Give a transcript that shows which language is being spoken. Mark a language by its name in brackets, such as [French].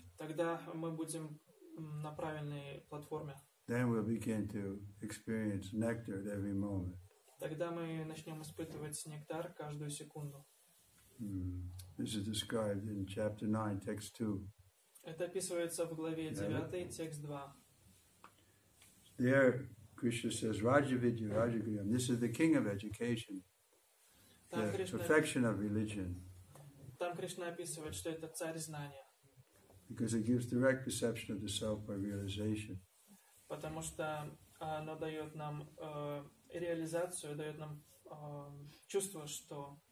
[Russian] Тогда мы будем на правильной платформе. [English] Then we'll begin to experience nectar at every moment. [Russian] Тогда мы начнем испытывать нектар каждую секунду. [English] This is described in chapter 9, text 2. [Russian] Это описывается в главе 9, текст 2. [English] There Krishna says, Rajavidya, Rajagriham, this is the king of education, the perfection of religion. [Russian] Там Кришна описывает, что это царь знания. [English] Because it gives direct perception of the self by realization. [Russian] Потому что оно дает нам реализацию, дает нам чувство, что